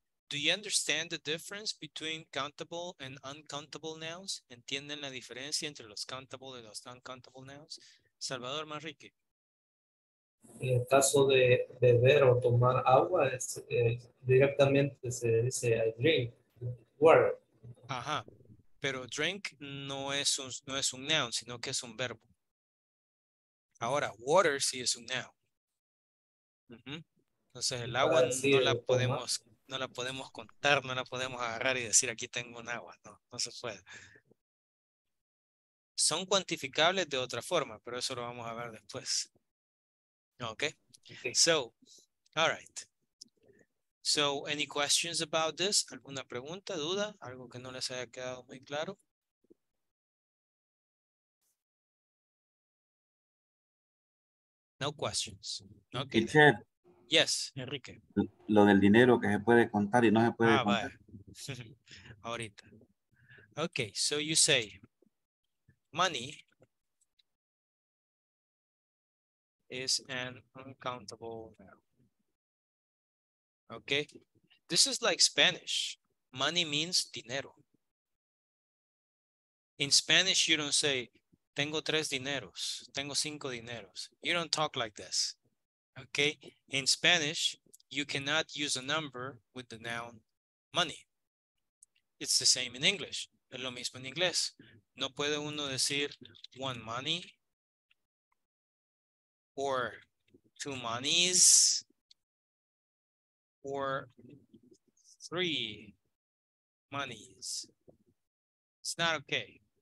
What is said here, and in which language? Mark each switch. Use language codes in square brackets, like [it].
[en] Do you understand the difference between countable and uncountable nouns? [es] ¿Entienden la diferencia entre los countable y los uncountable nouns? Salvador Manrique. En el caso de beber o tomar agua, es, directamente se dice [en] I drink. Water. [es] Ajá. Pero drink no es un noun, sino que es un verbo. Ahora, water sí es un noun. Uh-huh. Entonces, el agua no la podemos contar, no la podemos agarrar y decir aquí tengo un agua. No, no se puede. Son cuantificables de otra forma, pero eso lo vamos a ver después. [en] Ok. So, all right. So, any questions about this? [es] ¿Alguna pregunta, duda? ¿Algo que no les haya quedado muy claro? [en] No questions. Okay. Teacher. Yes, Enrique. [es] Lo del dinero que se puede contar y no se puede contar. Vale. Ahorita. [en] Okay, so you say money is an uncountable noun. Okay, this is like Spanish. Money means dinero. In Spanish, you don't say, [es] tengo tres dineros, tengo cinco dineros. [en] You don't talk like this. Okay, in Spanish, you cannot use a number with the noun money. It's the same in English. [es] Es lo mismo en inglés. No puede uno decir [en] one money or two monies. Or 3 monies. It's not okay.